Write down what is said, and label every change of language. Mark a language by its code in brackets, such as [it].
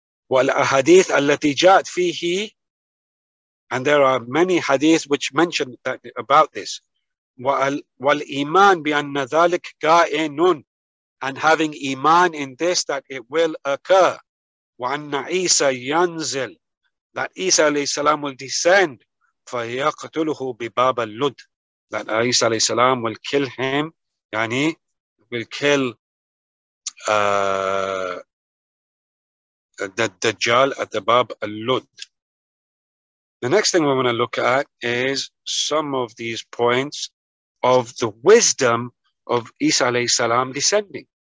[ar] والأحاديث التي جاءت فيه, [en] and there are many hadith which mention that, about this. [ar] والإيمان بأن ذلك كائن, [en] and having iman in this that it will occur. [ar] وأن عيسى ينزل, [en] that Isa عليه السلام will descend. [ar] فيقتله بباب اللد, [en] that Isa عليه السلام will kill him, يعني will kill the Dajjal at the Bab al-Lud. The next thing we're going to look at is some of these points of the wisdom of Isa alayhi salam descending.